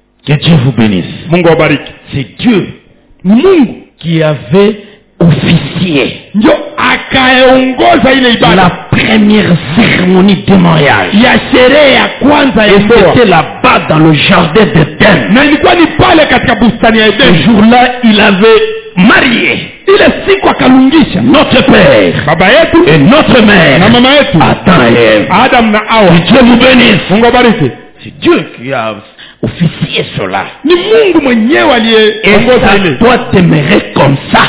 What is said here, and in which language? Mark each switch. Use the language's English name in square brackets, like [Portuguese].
[French] Que Dieu vous bénisse. [Swahili] Mungu awabariki. [French] C'est Dieu. [Swahili] Mungu [French] qui avait officié. [Swahili] Ndio akaongoza ile ibada. [French] La première cérémonie de mariage. [Swahili] Ya sherehe ya kwanza ya ndoa. [French] Et c'était là-bas dans le jardin d'Eden. [Swahili] Na ilikuwa ni pale katika bustani ya Eden. [French] Ce jour-là, il avait marié. [Swahili] Ile siku akalungisha. [French] Notre père. [Swahili] Baba yetu. [French] Et notre mère. [Swahili] Na mama yetu. [French] Adam et Eve. [Swahili] Adam na Hawa. [French] Que Dieu vous bénisse. [Swahili] Mungu awabariki. [French] C'est Dieu qui a officier cela. [Swahili] Ni Mungu mwenyewe aliye ongoza ile. [French] Toi t'aimerais comme ça.